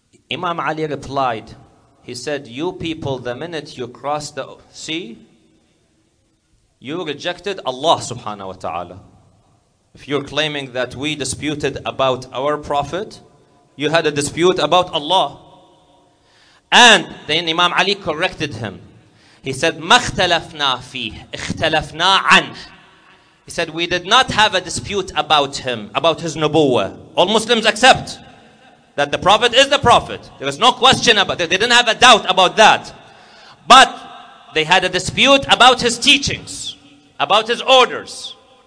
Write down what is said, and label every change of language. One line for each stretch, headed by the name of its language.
English: Imam Ali replied, he said, you people, the minute you crossed the sea, you rejected Allah subhanahu wa ta'ala. If you're claiming that we disputed about our prophet, you had a dispute about Allah. And then Imam Ali corrected him. He said,
Arabic: ما اختلفنا فيه, اختلفنا عنه.
English: He said, we did not have a dispute about him, about his nubuwa. All Muslims accept that the prophet is the prophet. There is no question about it. They didn't have a doubt about that. But they had a dispute about his teachings, about his orders.